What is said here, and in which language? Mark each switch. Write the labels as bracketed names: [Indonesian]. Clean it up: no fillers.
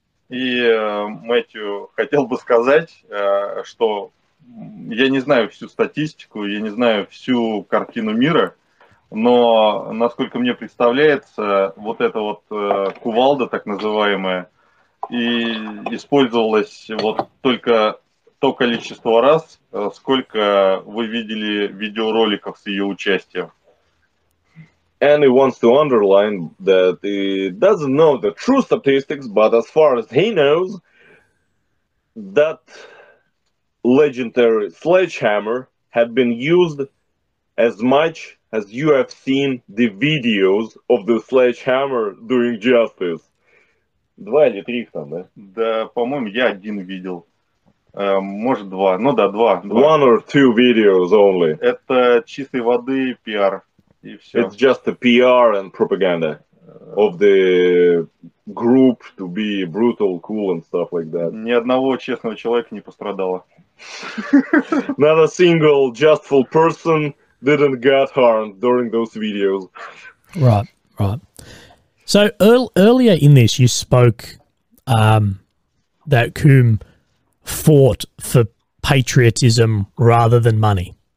[Russian] И Мэтью хотел бы сказать, что я не знаю всю статистику, я не знаю всю картину мира, но, насколько мне представляется, вот эта вот кувалда, так называемая, и использовалась вот только то количество раз, сколько вы видели видеороликов с ее участием. [English] And he wants to underline that he doesn't know the true statistics, but as far as he knows, that legendary sledgehammer had been used as much as you have seen the videos of the sledgehammer doing justice. [Russian] Два или три их там, да? Да, по-моему, я один видел. Может, два. Ну да, два. [English] One or two videos only. [Russian] Это чистой воды PR. [English] It's just a PR and propaganda of the group to be brutal, cool and stuff like that. [Russian] Ни одного честного человека не пострадало. [English] Not a single justful person didn't get harmed during those videos. Right, right. So earlier in this you spoke that Coombe fought for patriotism rather than money.